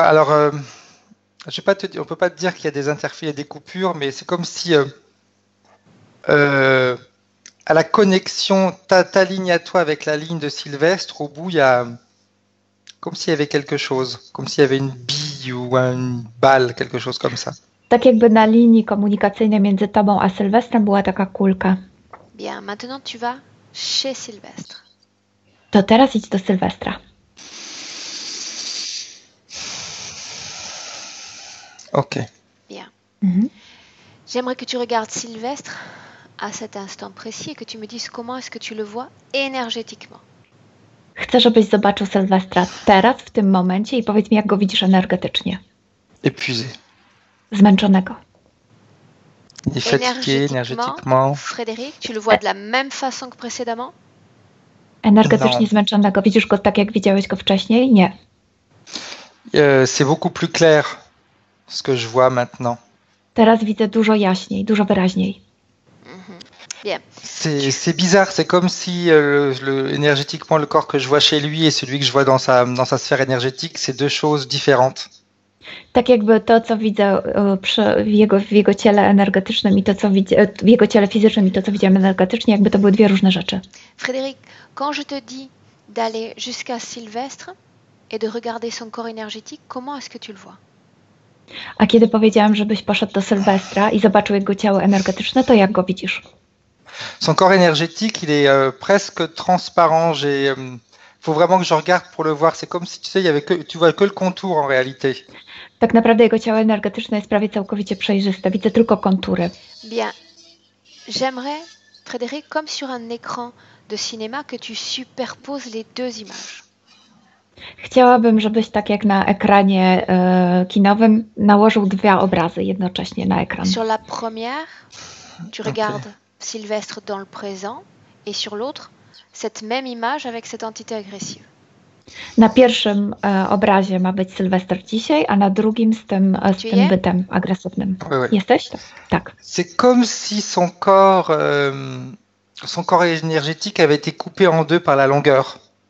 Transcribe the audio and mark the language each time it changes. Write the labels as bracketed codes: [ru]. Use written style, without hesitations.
[fr] Alors, je vais pas te dire, on peut pas te dire qu'il y a des interférences, il y a des coupures, mais c'est comme si à la connexion, ta ligne à toi avec la ligne de Sylvestre, au bout, il y a comme s'il y avait quelque chose, comme s'il y avait une bille ou une balle, quelque chose comme ça. [pl] Tak jakby na linii komunikacyjnej między tobą a Sylwestrem była taka kulka. [fr] Bien, maintenant tu vas chez Sylvestre. [pl] To teraz idź do Sylwestra. Ok. [fr] Bien. Mm-hmm. J'aimerais que tu regardes Sylvestre à cet instant précis et que tu me dises comment est-ce que tu le vois énergétiquement. [pl] Chcę, żebyś zobaczył Sylwestra teraz, w tym momencie i powiedz mi, jak go widzisz energetycznie. [fr] Épuisé. [pl] Zmęczonego. [fr] Il est fatigué énergétiquement. Frédéric, tu le vois de la même façon que précédemment? Énergétiquement [pl] zmęczonego. Widzisz go tak, jak widziałeś go wcześniej? Nie. [fr] C'est beaucoup plus clair ce que je vois maintenant. [pl] Teraz widzę dużo jaśniej, dużo wyraźniej. [fr] Mm-hmm. Bien. C'est bizarre, c'est comme si énergétiquement le corps que je vois chez lui et celui que je vois dans sa sphère énergétique, c'est deux choses différentes. [pl] Tak jakby to, co widzę w jego ciele energetycznym i to, co widzę w jego ciele fizycznym i to, co widziałem energetycznie, jakby to były dwie różne rzeczy. [fr] Frédéric, quand je te dis d'aller jusqu'à Sylvestre et de regarder son corps énergétique, comment est-ce que tu le vois? [pl] A kiedy powiedziałem, żebyś poszedł do Sylwestra i zobaczył jego ciało energetyczne, to jak go widzisz? [fr] Son corps énergétique, il est presque transparent. Faut vraiment que je regarde pour le voir. C'est comme si tu sais, il y avait que tu vois que le contour en réalité. [pl] Tak naprawdę jego ciało energetyczne jest prawie całkowicie przejrzyste. Widzę tylko kontury. [fr] Bien. J'aimerais, Frédéric, comme sur un écran de cinéma, que tu superposes les deux images. [pl] Chciałabym, żebyś tak jak na ekranie kinowym nałożył dwa obrazy jednocześnie na ekran. [fr] Sur la première, tu regardes okay. Sylvestre dans le présent et sur l'autre cette même image avec cette entité agressive. [pl] Na pierwszym obrazie ma być Sylwester dzisiaj, a na drugim z tym bytem agresywnym. [fr] Oui, oui. [pl] Jesteś? Tak. [fr] C'est comme si son corps énergétique avait été coupé en deux par la longueur.